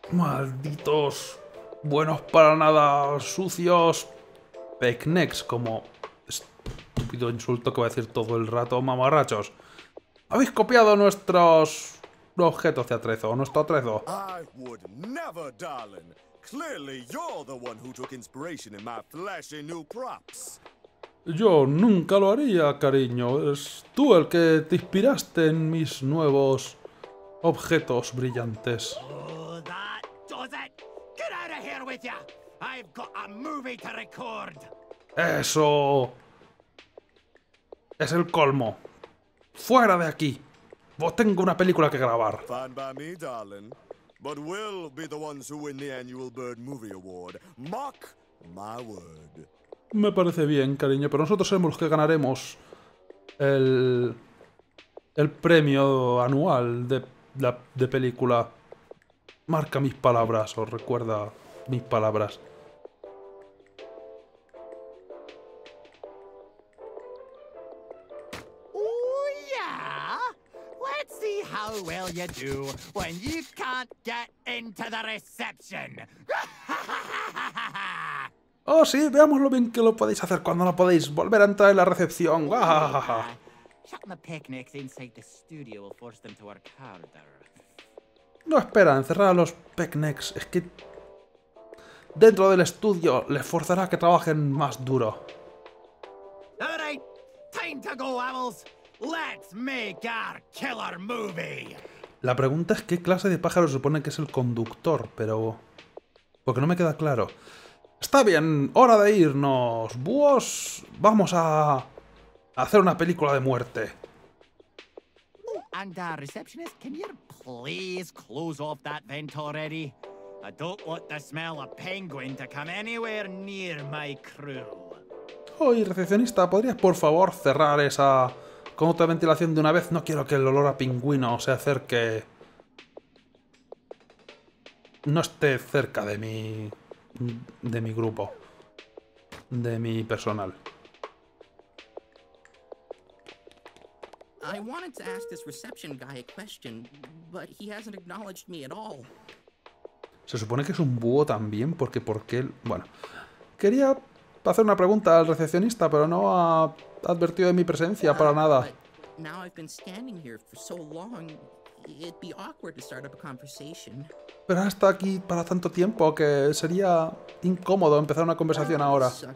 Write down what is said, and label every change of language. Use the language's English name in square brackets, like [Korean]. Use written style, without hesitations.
[Spanish] Malditos buenos para nada sucios pecnecs, como estúpido insulto que voy a decir todo el rato, mamarrachos. Habéis copiado nuestros objetos de atrezo, nuestro atrezo. [English] I would never, darling. Clearly you're the one who took inspiration in my flashy new props. [Spanish] Yo nunca lo haría, cariño. Es tú el que te inspiraste en mis nuevos objetos brillantes. ¡Eso! ¡Es el colmo! ¡Fuera de aquí! ¡Vos tengo una película que grabar! Me parece bien, cariño, pero nosotros somos los que ganaremos el premio anual de... la de película. Marca mis palabras o recuerda mis palabras. Oh yeah. Let's see how well you do when you can't get into the reception. Oh sí, veamos lo bien que lo podéis hacer cuando no podéis volver a entrar en la recepción. [English] Shutting the picnics inside the studio will force them to work harder. [Spanish] No, espera, encerrar a los picnics es que... dentro del estudio les forzará a que trabajen más duro. [English] All right, time to go, owls. Let's make our killer movie. [Spanish] La pregunta es qué clase de pájaro supone que es el conductor, pero... porque no me queda claro. Está bien, hora de irnos, búhos. Vamos a... hacer una película de muerte. [English] And receptionist, can you please close off that vent already? I don't want the smell of penguin to come anywhere near my crew. [Spanish] Oye, recepcionista, ¿podrías por favor cerrar esa con otra ventilación de una vez? No quiero que el olor a pingüino se acerque. No esté cerca de mi. De mi grupo. De mi personal. [English] I wanted to ask this reception guy a question, but he hasn't acknowledged me at all. [Spanish] Se supone que es un búho también, porque bueno, quería hacer una pregunta al recepcionista, pero no ha advertido de mi presencia para nada. [English] Now I've been standing here for so long, it'd be awkward to start up a conversation. [Spanish] Pero hasta aquí para tanto tiempo que sería incómodo empezar una conversación ahora.